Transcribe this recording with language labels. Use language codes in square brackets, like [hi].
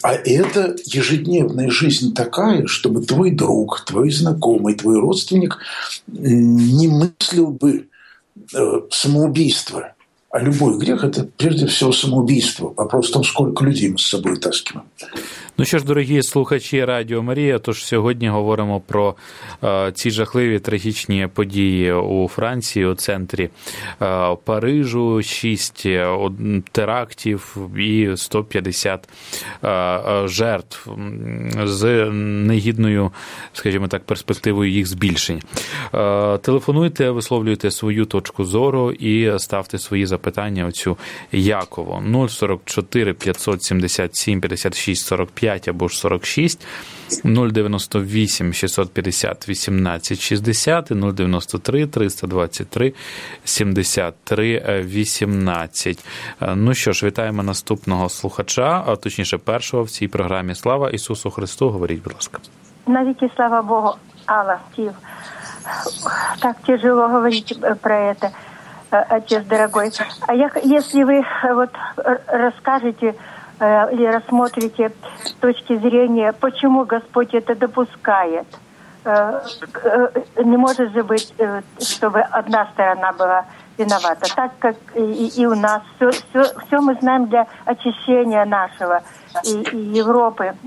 [ru] А это ежедневная жизнь такая, чтобы твой друг, твой знакомый, твой родственник не мыслил бы самоубийство. А любой грех – это прежде всего самоубийство. Вопрос в том, сколько людей мы с собой таскиваем. [uk] Ну що ж, дорогі слухачі Радіо Марія, тож сьогодні говоримо про ці жахливі трагічні події у Франції, у центрі Парижу, 6 терактів і 150 жертв з негідною, скажімо так, перспективою їх збільшення. Телефонуйте, висловлюйте свою точку зору і ставте свої запитання оцю Якову. 044-577-56-45 або ж 46, 098-650-18-60, 093-323-73-18. Ну що ж, вітаємо наступного слухача, а точніше першого в цій програмі. Слава Ісусу Христу, говоріть, будь ласка. Навіки слава Богу, Алла, Стів. Так тяжело говорити про це, [ru] отец дорогой. [uk] А якщо ви от розкажете, [ru] или рассмотрите точки зрения, почему Господь это допускает? Не может же быть, чтобы одна сторона была виновата, так как и у нас все мы знаем для очищения нашего и Европы.